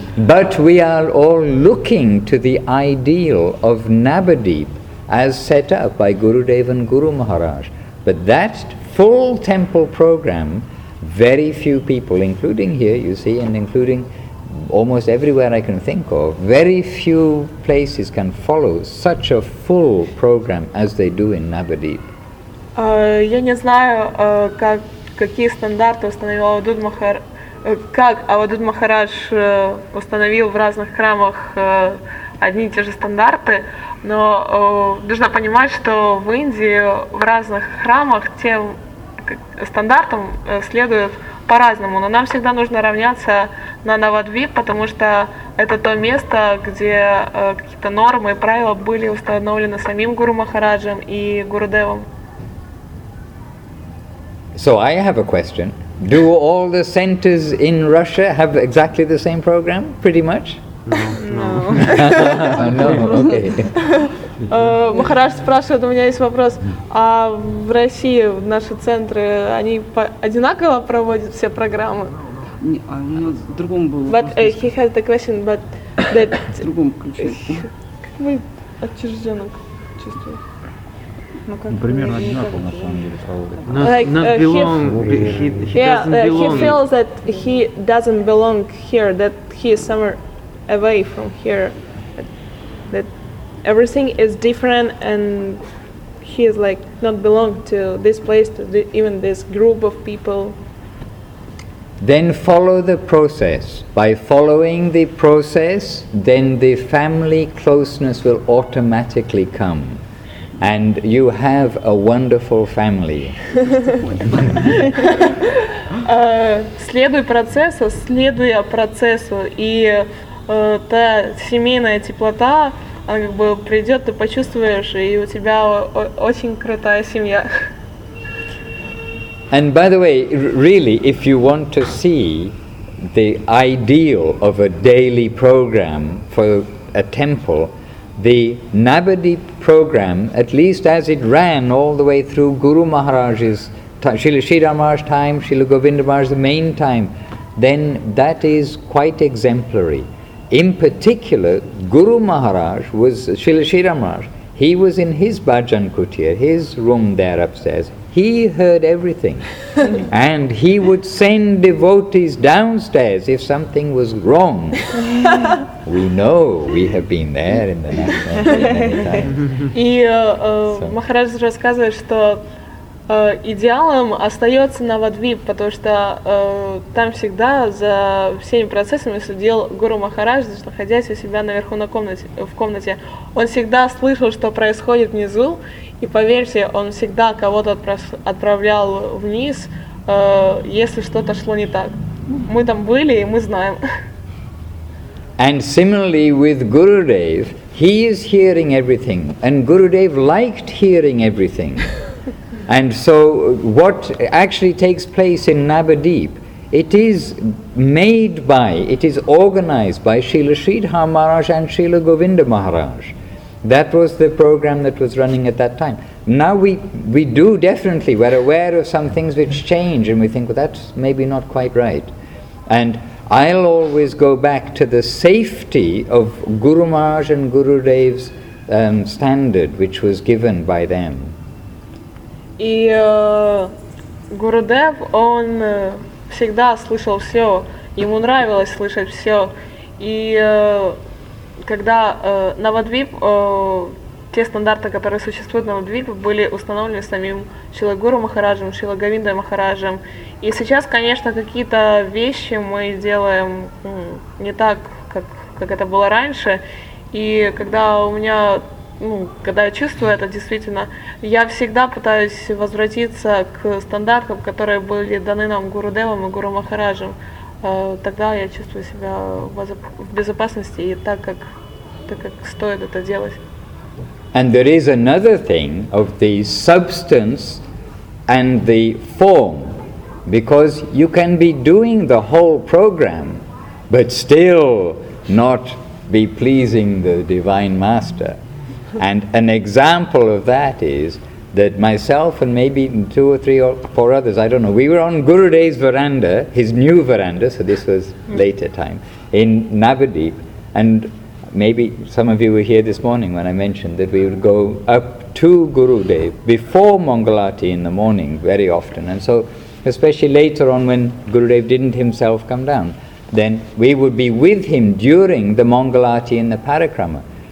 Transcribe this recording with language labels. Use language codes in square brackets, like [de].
[en] But we are all looking to the ideal of Navadvip as set up by Gurudev and Guru Maharaj. But that full temple program, very few people, including here, you see, and including almost everywhere I can think of, very few places can follow such a full program as they do in Navadvip. [ru] Я не знаю, какие стандарты установил Авадут Махарадж, как Авадут Махарадж установил в разных храмах одни и те же стандарты, но нужно понимать, что в Индии в разных храмах тем стандартам следуют по-разному. Но нам всегда нужно равняться на Навадвип, потому что это то место, где какие-то нормы и правила были установлены самим Гуру Махараджем и Гурудевом. [en] So I have a question. Do all the centers in Russia have exactly the same program, pretty much? No. No, okay. [ru] Maharaj спрашивает, у меня есть вопрос. А в России наши центры, они одинаково проводят все программы? Не, а у меня в другом был вопрос. [en] But he has the question, but... [ru] В другом ключе. отчужденок чувствует? Ну, примерно одинаково, на самом деле, правда. [en] Not belong. He feels that he doesn't belong here, that he is somewhere away from here. That everything is different and he is like not belong to this place, to even this group of people. Then follow the process. By following the process, then the family closeness will automatically come. And you have a wonderful family. [ru] Следуй процессу, следуя процессу, и та семейная теплота, она как бы придет, ты почувствуешь, и у тебя очень крутая семья. [en] And by the way, really, if you want to see the ideal of a daily program for a temple, the Navadvip program, at least as it ran all the way through Guru Maharaj's time, Srila Sridhar Maharaj's time, Srila Govinda Maharaj's main time, then that is quite exemplary. In particular, Guru Maharaj was, Srila Sridhar Maharaj, he was in his bhajan kutir, his room there upstairs. He heard everything. And he would send devotees downstairs if something was wrong. We know, we have been there in the night. Many times. [ru] И Махарадж рассказывает, что идеалом остается Навадвип, потому что там всегда за всеми процессами следил Гуру Махарадж, находясь у себя наверху на комнате, в комнате. Он всегда слышал, что происходит внизу, и поверьте, он всегда кого-то отправлял вниз, если что-то шло не так. Мы там были, и мы знаем. [en] And similarly with Gurudev, he is hearing everything, and Gurudev liked hearing everything. And so what actually takes place in Navadvip, it is made by, it is organized by Srila Sridhar Maharaj and Srila Govinda Maharaj. That was the program that was running at that time. Now we do definitely, we're aware of some things which change and we think, well, that's maybe not quite right. And I'll always go back to the safety of Guru Maharaj and Gurudev's standard which was given by them. [ru] И Гурудев, он всегда слышал все, ему нравилось слышать все. И когда Навадвип, те стандарты, которые существуют в Навадвипе, были установлены самим Шрила Гуру Махараджем, Шрила Говиндой Махараджем. И сейчас, конечно, какие-то вещи мы делаем не так, как это было раньше. И когда у меня... Ну, когда я чувствую это действительно, я всегда пытаюсь возвратиться к стандартам, которые были даны нам Гурудевом и Гуру Махараджем. Тогда я чувствую себя в безопасности и так как стоит это делать. [en] And there is another thing of the substance and the form, because you can be doing the whole program, but still not be pleasing the Divine Master. And an example of that is that myself and maybe two or three or four others, I don't know, we were on Gurudev's veranda, his new veranda, so this was later time, in Navadvip, and maybe some of you were here this morning when I mentioned that we would go up to Gurudev before Mangalati in the morning very often, and so especially later on when Gurudev didn't himself come down, then we would be with him during the Mangalati and the Parikrama.